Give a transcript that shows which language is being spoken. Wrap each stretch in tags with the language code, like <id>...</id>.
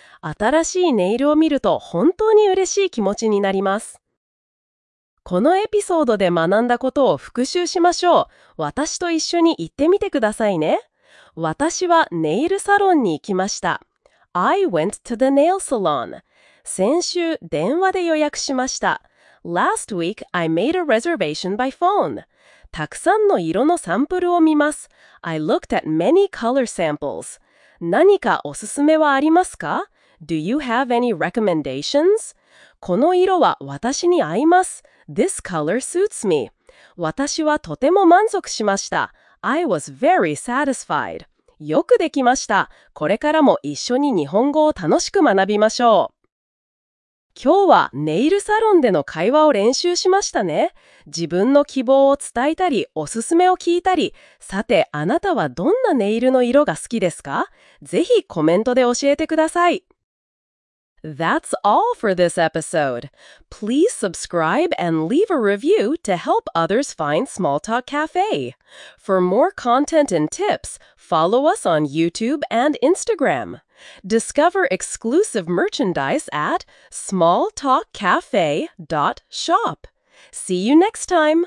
<ja>新しいネイルを見ると本当に嬉しい気持ちになります。このエピソードで学んだことを復習しましょう。私と一緒に行ってみてくださいね。私はネイルサロンに行きました。</ja> <en>I went to the nail salon.</en> <ja>先週電話で予約しました。</ja> <en>Last week, I made a reservation by phone.</en> <ja>たくさんの色のサンプルを見ます。</ja> <en>I looked at many color samples.</en> <ja>何かおすすめはありますか？</ja> <en>Do you have any recommendations?</en> <ja>この色は私に合います。</ja> <en>This color suits me.</en> <ja>私はとても満足しました。</ja> <en>I was very satisfied.</en> <ja>よくできました。これからも一緒に日本語を楽しく学びましょう。今日はネイルサロンでの会話を練習しましたね。自分の希望を伝えたり、おすすめを聞いたり。さて、あなたはどんなネイルの色が好きですか？ぜひコメントで教えてください。</ja> <en>That's all for this episode. Please subscribe and leave a review to help others find Small Talk Cafe. For more content and tips, follow us on YouTube and Instagram. Discover exclusive merchandise at smalltalkcafe.shop. See you next time!</en>